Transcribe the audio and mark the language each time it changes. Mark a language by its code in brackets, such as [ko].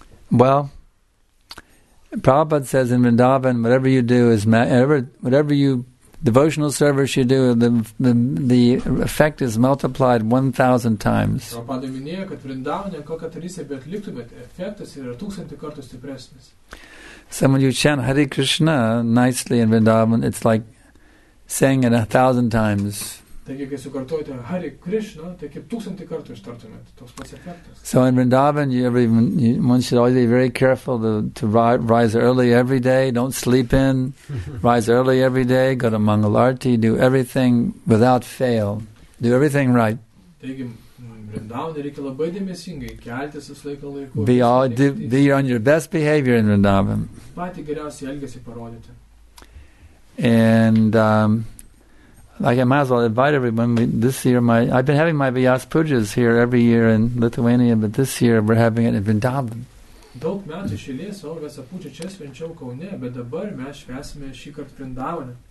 [en] Well, Prabhupada says in Vrindavan, whatever you do is whatever you devotional service you do, the effect is multiplied 1,000 times. [lt] Prabhupada minėjo, kad Vrindavane kokią tarnystę atliktumėt, efektas yra 1,000 kartų stipresnis. [en] So when you chant Hare Krishna nicely in Vrindavan, it's like saying it 1,000 times. [lt] Taigi, kai sukartojate Hare Krishna, tai kaip 1,000 kartų ištartumėt, toks pats efektas. [en] So in Vrindavan, one should always be very careful to rise early every day, don't sleep in, rise early every day, go to Mangal Arati, do everything without fail, do everything right. [lt] Taigi, Vrindavan reikia labai dėmesingai keltis visą laiką laiku. [en] Be on your best behavior in Vrindavan. [lt] Patį geriausiai elgesį parodyti. [en] And like I might as well invite everyone this year. I've been having my Vyas Pujas here every year in Lithuania, but this year we're having it in Vrindavan. [lt] Daug metų šilės augas apučia čia svenčiau Kaune, bet dabar mes švesime šį kartą Vrindavane.